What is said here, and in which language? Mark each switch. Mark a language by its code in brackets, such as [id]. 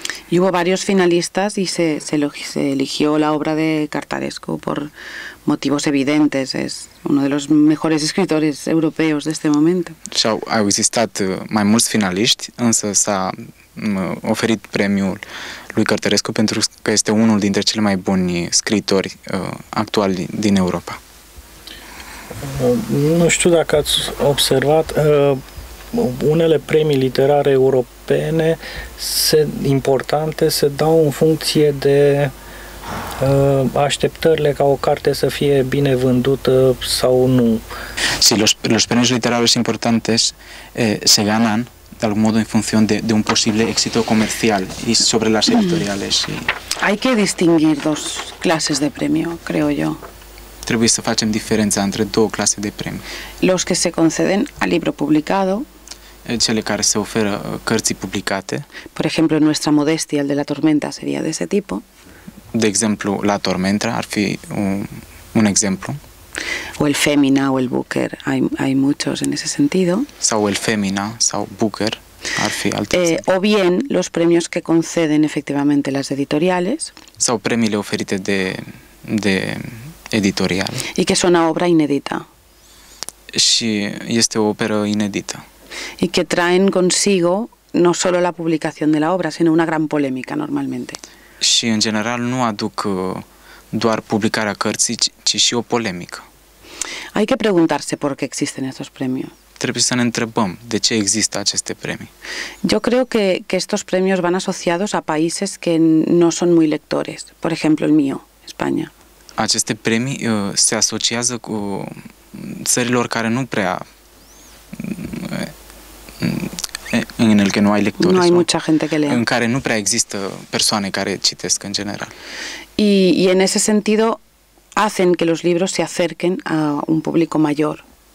[es] Y hubo varios finalistas y se eligió la obra de Cărtărescu por motivos evidentes. Es uno de los mejores escritores europeos de este momento. [ro] Și au existat mai mulți finaliști, însă s-a oferit premiul lui Cărtărescu pentru că este unul dintre cele mai buni scriitori actuali din Europa. Nu știu dacă ați observat, unele premii literare europene importante se dau în funcție de așteptările ca o carte să fie bine vândută sau nu. [es] Sí, los premios literarios importantes se ganan de algún modo en función de un posible éxito comercial y sobre las editoriales. Hay que distinguir dos clases de premio, creo yo. [ro] Trebuie să facem diferența între două clase de premii. [es] Los que se conceden al libro publicado. [ro] Cele care se oferă cărții publicate. [es] Por ejemplo, Nuestra Modestia, el de La Tormenta, sería de ese tipo. [ro] De exemplu, La Tormenta ar fi un exemplu. [es] O el Femina o el Booker, hay muchos en ese sentido. [ro] Sau el Femina sau Booker ar fi alte exemple. [es] O bien los premios que conceden efectivamente las editoriales. [ro] Sau premiile oferite de editorial. [es] Y que son a obra inédita. [ro] Și este o operă inedită. [es] Y que traen consigo no solo la publicación de la obra, sino una gran polémica normalmente. [ro] Și în general nu aduc doar publicarea cărții, ci și o polemică. [es] Hay que preguntarse por qué existen estos premios. [ro] Trebuie să ne întrebăm de ce există aceste premii. [es] Yo creo que estos premios van asociados a países que no son muy lectores, por ejemplo el mío, España. [ro] Aceste premii se asociază cu țărilor care nu prea în el că nu ai lectori. [es] No hay mucha gente que lea. [ro] În care nu prea există persoane care citesc în general. [es] Y en ese sentido hacen que los libros se acerquen a un público mayor.